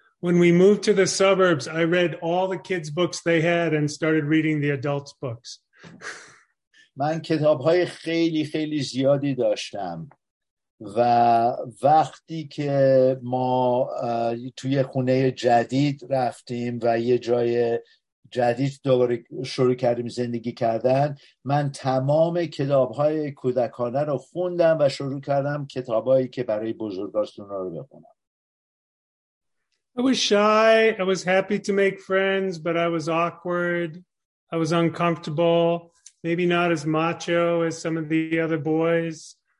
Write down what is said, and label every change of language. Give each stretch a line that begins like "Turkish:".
English: When we moved to the suburbs, I read all the kids' books they had and started reading the adults' books.
Persian: من کتاب‌های خیلی خیلی زیادی داشتم و وقتی که ما توی خونه جدید رفتیم و یه جای جدید دوباره شروع کردیم زندگی کردن، من تمام کتاب‌های کودکانه رو خوندم و شروع کردم کتاب‌هایی که برای بزرگان رو بخونم.
English: I was shy. I was happy to make friends, but I was awkward. I was uncomfortable. Maybe not as macho as some of the other boys.